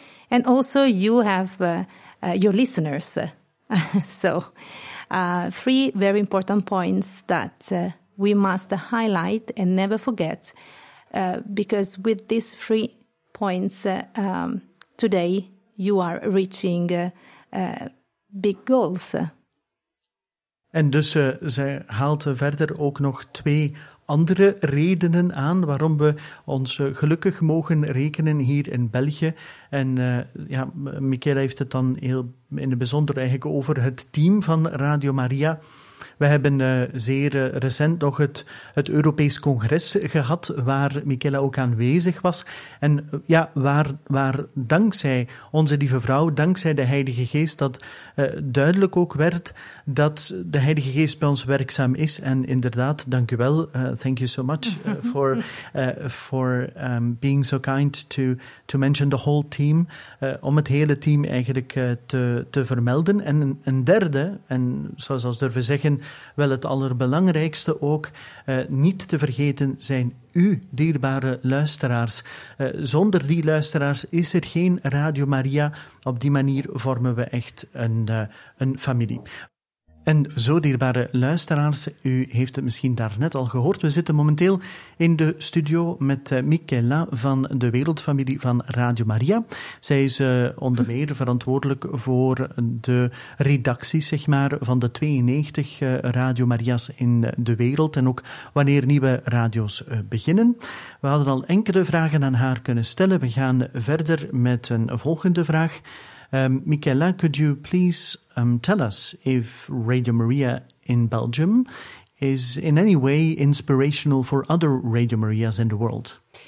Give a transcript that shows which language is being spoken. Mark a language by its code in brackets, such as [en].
[en] And also you have your listeners. So, three very important points that we must highlight and never forget, because with these three points, today you are reaching big goals. [nl] En dus zij haalt verder ook nog twee andere redenen aan waarom we ons gelukkig mogen rekenen hier in België. En ja, Michaela heeft het dan heel in het bijzonder eigenlijk over het team van Radio Maria. We hebben zeer recent nog het Europees Congres gehad, waar Michaela ook aanwezig was. En ja, waar dankzij onze lieve vrouw, dankzij de Heilige Geest, dat duidelijk ook werd dat de Heilige Geest bij ons werkzaam is. En inderdaad, dank u wel. [en] Thank you so much for being so kind to mention the whole team. [nl] Om het hele team eigenlijk te vermelden. En een derde, en zoals we durven zeggen, wel het allerbelangrijkste ook, niet te vergeten zijn u, dierbare luisteraars. Zonder die luisteraars is er geen Radio Maria. Op die manier vormen we echt een familie. En zo, dierbare luisteraars, u heeft het misschien daarnet al gehoord. We zitten momenteel in de studio met Michaela van de Wereldfamilie van Radio Maria. Zij is onder meer verantwoordelijk voor de redactie, zeg maar, van de 92 Radio Maria's in de wereld en ook wanneer nieuwe radio's beginnen. We hadden al enkele vragen aan haar kunnen stellen. We gaan verder met een volgende vraag. [en] Michaela, could you please tell us if Radio Maria in Belgium is in any way inspirational for other Radio Marias in the world?